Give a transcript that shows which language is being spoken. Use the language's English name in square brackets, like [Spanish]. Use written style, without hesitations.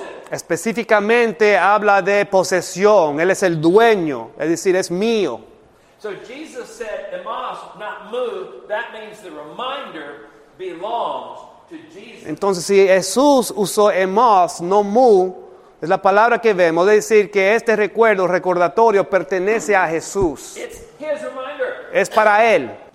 [Spanish] Específicamente habla de posesión. Él es el dueño. Es decir, es mío. [English] So Jesus said, "Emas, not move." That means the reminder belongs to Jesus. [Spanish] Entonces, si Jesús usó emas, no mu, es la palabra que vemos, es decir, que este recuerdo, recordatorio, pertenece a Jesús. Es para Él.